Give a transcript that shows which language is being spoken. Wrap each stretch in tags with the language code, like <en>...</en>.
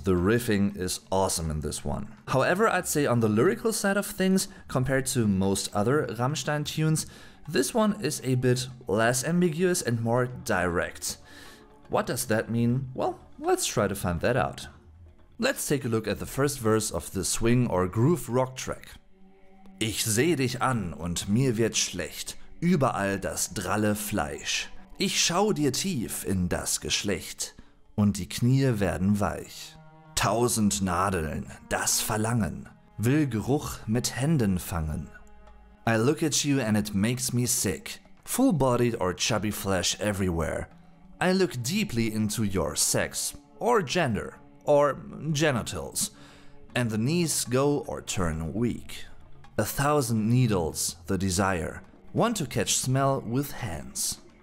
<en>The riffing is awesome in this one. However, I'd say on the lyrical side of things, compared to most other Rammstein tunes, this one is a bit less ambiguous and more direct. What does that mean? Well, let's try to find that out. Let's take a look at the first verse of the swing or groove rock track.</en> <de>Ich seh dich an und mir wird schlecht. Überall das dralle Fleisch. Ich schau dir tief in das Geschlecht und die Knie werden weich. Tausend Nadeln, das Verlangen, will Geruch mit Händen fangen.</de> <en>I look at you and it makes me sick. Full bodied or chubby flesh everywhere. I look deeply into your sex or gender or genitals and the knees go or turn weak. A thousand needles, the desire. Want to catch smell with hands.</en>